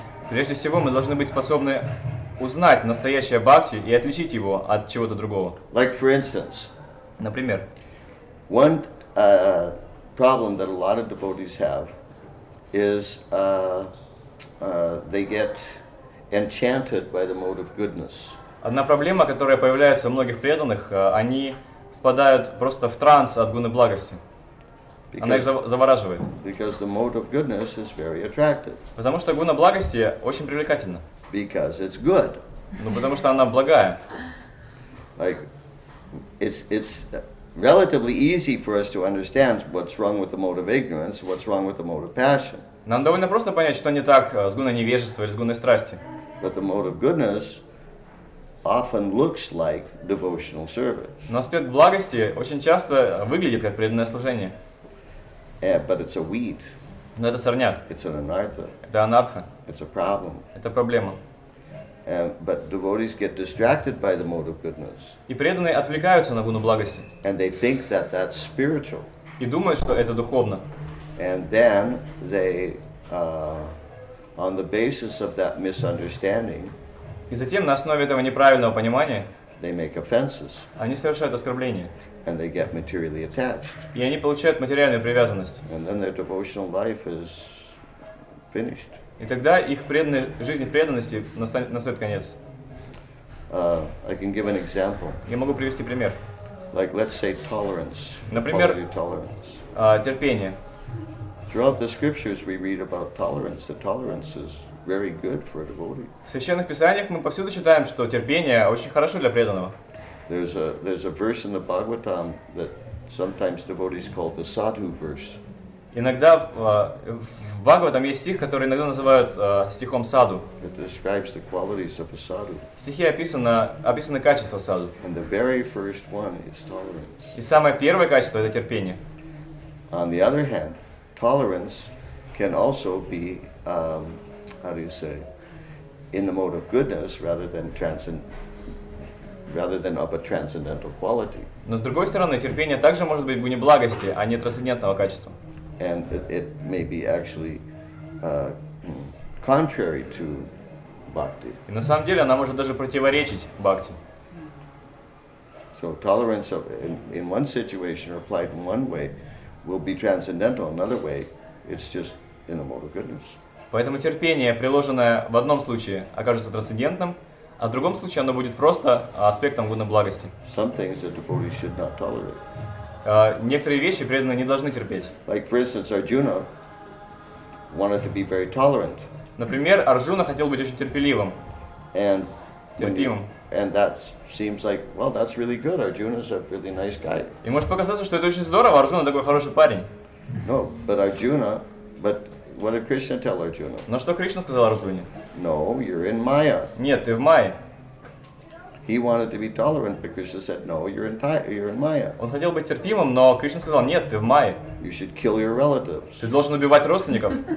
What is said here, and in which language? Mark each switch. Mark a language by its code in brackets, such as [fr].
[ru] Прежде всего, мы должны быть способны узнать настоящее бхакти и отличить его от чего-то другого. [en] Like for instance. [ru] Например. [en] One problem that a lot of devotees have is they get enchanted by the mode of goodness. [ru] Одна проблема, которая появляется у многих преданных, они впадают просто в транс от гуны благости. Because, она их завораживает. [en] Because the mode of goodness is very attractive. [ru] Потому что гуна благости очень привлекательна. [en] Because it's good. [ru] Ну потому что она благая. [en] Like it's relatively easy for us to understand what's wrong with the mode of ignorance, what's wrong with the mode of passion. [ru] Нам довольно просто понять, что не так с гуной невежества или с гуной страсти. [en] But the mode of goodness often looks like devotional service. [ru] Но аспект благости очень часто выглядит как преданное служение. [en] Yeah, but it's a weed. [ru] Но это сорняк. [en] It's an anartha. [ru] Это анартха. [en] It's a problem. [ru] Это проблема. [en] But devotees get distracted by the mode of goodness. [ru] И преданные отвлекаются на гуну благости. [en] And they think that that's spiritual. [ru] И думают, что это духовно. [en] And then they on the basis of that misunderstanding. [ru] И затем на основе этого неправильного понимания. [en] They make offenses. [ru] Они совершают оскорбления. [en] And they get materially attached. [ru] И они получают материальную привязанность. [en] And then their devotional life is finished. [ru] И тогда их жизнь преданности настанет конец. [en] I can give an example. [ru] Я могу привести пример. [en] like let's say tolerance. [ru] Например, [en] quality of tolerance. [ru] Терпение. [en] Throughout the scriptures we read about tolerance. The tolerance is very good for a devotee. [ru] В священных писаниях мы повсюду читаем, что терпение очень хорошо для преданного. [en] There's a verse in the Bhagavatam that sometimes devotees call the sadhu verse. [ru] Иногда в Бхагаватам есть стих, который иногда называют стихом саду. [en] It describes the qualities of a sadhu. [ru] В стихе описано качество саду. [en] And the very first one is tolerance. [ru] И самое первое качество — это терпение. [en] On the other hand, tolerance can also be, how do you say, in the mode of goodness rather than of a transcendental quality. [ru] Но с другой стороны, терпение также может быть в гуне благости, а не трансцендентного качества. [en] And it may be actually contrary to bhakti. [ru] И на самом деле она может даже противоречить бхакти. [en] So tolerance of in one situation applied in one way will be transcendental. Another way, it's just in the mode of goodness. [ru] Поэтому терпение, приложенное в одном случае, окажется трансцендентным, а в другом случае оно будет просто аспектом гуны благости. [en] Some things that devotees should not tolerate. [ru] Некоторые вещи преданные не должны терпеть. [en] Like, for instance, Arjuna wanted to be very tolerant. [ru] Например, Арджуна хотел быть очень терпеливым. [en] And [ru] терпимым. [en] And that seems like, well, that's really good. Arjuna's a really nice guy. [ru] И может показаться, что это очень здорово, Арджуна такой хороший парень. [en] No, but Arjuna, but what did Krishna tell Arjuna? [ru] Но что Кришна сказал Арджуне? [en] No, you're in Maya. [ru] Нет, ты в Майе. [en] He wanted to be tolerant, but Krishna said, "No, you're in Maya." [ru] Он хотел быть терпимым, но Кришна сказал: "Нет, ты в Майе." [en] You should kill your relatives. [ru] Ты должен убивать родственников.